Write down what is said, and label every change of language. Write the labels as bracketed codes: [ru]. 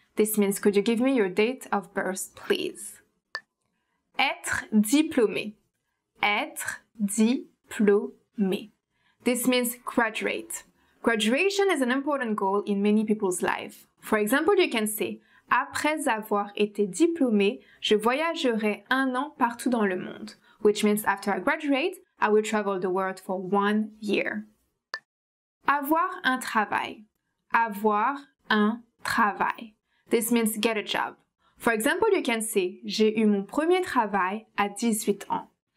[en] This means could you give me your date of birth, please? [fr] Être diplômé. Être diplômé. [en] This means graduate. Graduation is an important goal in many people's life. For example, you can say, [fr] après avoir été diplômée, je voyagerai un an partout dans le monde. [en] Which means after I graduate, I will travel the world for 1 year. [fr] Avoir un travail. Avoir un travail. [en] This means get a job. For example, you can say, [fr] j'ai eu mon premier travail à 18 ans.